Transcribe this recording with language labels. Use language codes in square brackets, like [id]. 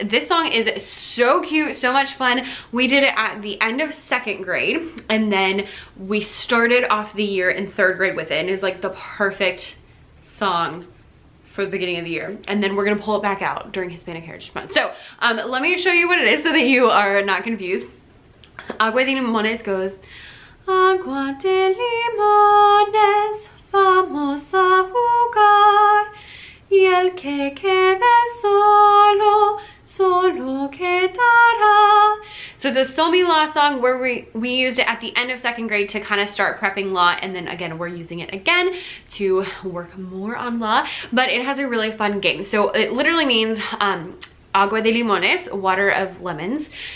[en] This song is so cute, so much fun. We did it at the end of second grade, and then we started off the year in third grade with it, and it's like the perfect song for the beginning of the year. And then we're gonna pull it back out during Hispanic Heritage Month. So let me show you what it is so that you are not confused. [es] Agua de limones goes, agua de limones, vamos a jugar, y el que quede solo, solo quedará. [en] So it's a so-mi-la song where we used it at the end of second grade to kind of start prepping law, and then again we're using it again to work more on law. But it has a really fun game. So it literally means [es] agua de limones, [en] water of lemons.